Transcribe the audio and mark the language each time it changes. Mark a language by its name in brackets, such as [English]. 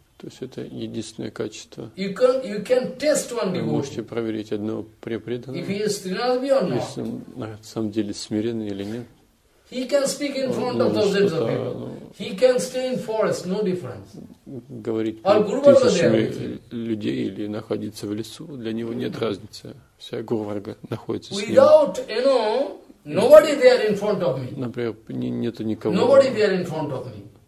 [Russian] То есть это единственное качество. [English] You can test one [Russian] Вы можете проверить одно препреданное, если он на самом деле смиренный или нет. [English] He can speak in front of thousands of people. He can stay in forest, no difference. [Russian] Говорить перед тысячами людей или находиться в лесу, для него нет разницы. Вся Гурварга находится с ним. [English] Without, nobody there in front of me. [Russian] Например, нету никого. [English] Nobody there in front of me.